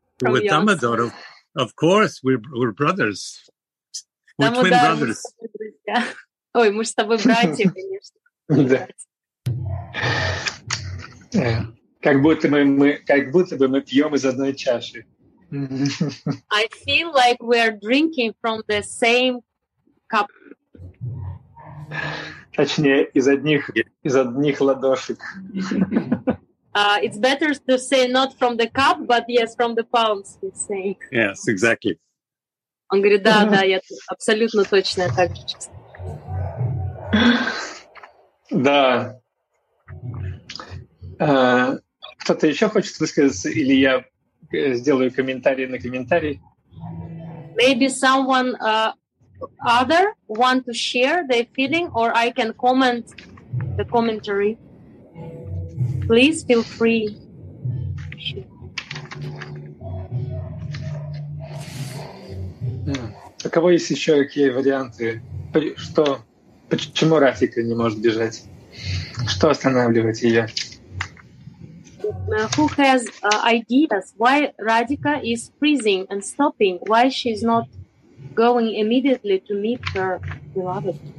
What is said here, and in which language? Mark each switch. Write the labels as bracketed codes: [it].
[en] With Дамодар, of course, we're brothers. We're twin brothers. [ru] Ой, мы же с тобой братья, конечно. Да. Как будто бы мы пьем из одной чаши. I feel like we are drinking from the same cup. Точнее, из одних ладошек. [en] It's better to say not from the cup, but yes, from the palms, he's saying. Yes, exactly. [ru] Он говорит, да, я абсолютно точно так же чувствую. Да. Кто-то еще хочет высказаться, или я сделаю комментарий на комментарий. [en] Maybe someone other want to share their feeling, or I can comment the commentary. Please feel free. [ru] У кого есть еще какие варианты? Что? Почему Рафика не может бежать? Что останавливает ее? [en] Who has ideas why Radhika is freezing and stopping, why she's not going immediately to meet her beloved?